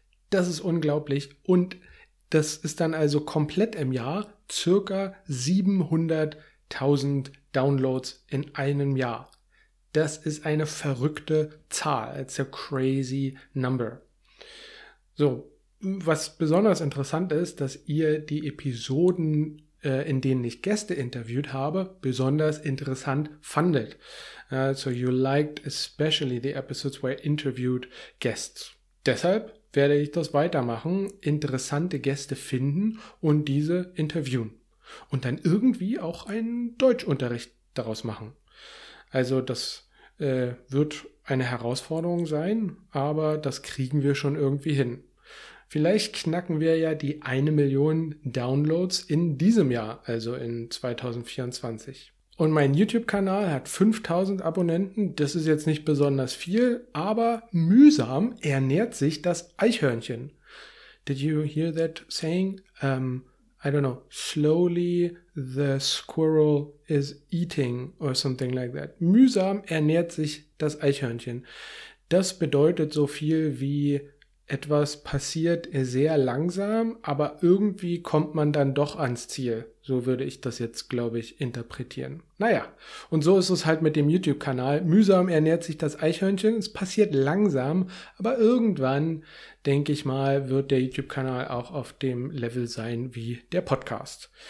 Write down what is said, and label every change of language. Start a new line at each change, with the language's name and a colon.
German: Das ist unglaublich und das ist dann also komplett im Jahr circa 700.000 Downloads in einem Jahr. Das ist eine verrückte Zahl.
English: It's a crazy number.
German: So, was besonders interessant ist, dass ihr die Episoden, in denen ich Gäste interviewt habe, besonders interessant fandet.
English: So you liked especially the episodes where I interviewed guests.
German: Deshalb werde ich das weitermachen, interessante Gäste finden und diese interviewen. Und dann irgendwie auch einen Deutschunterricht daraus machen. Also das wird eine Herausforderung sein, aber das kriegen wir schon irgendwie hin. Vielleicht knacken wir ja die 1 Million Downloads in diesem Jahr, also in 2024. Und mein YouTube-Kanal hat 5000 Abonnenten, das ist jetzt nicht besonders viel, aber mühsam ernährt sich das Eichhörnchen.
English: Did you hear that saying? I don't know, slowly the squirrel is eating or something like that.
German: Mühsam ernährt sich das Eichhörnchen. Das bedeutet so viel wie etwas passiert sehr langsam, aber irgendwie kommt man dann doch ans Ziel. So würde ich das jetzt, glaube ich, interpretieren. Naja, und so ist es halt mit dem YouTube-Kanal. Mühsam ernährt sich das Eichhörnchen, es passiert langsam, aber irgendwann, denke ich mal, wird der YouTube-Kanal auch auf dem Level sein wie der Podcast.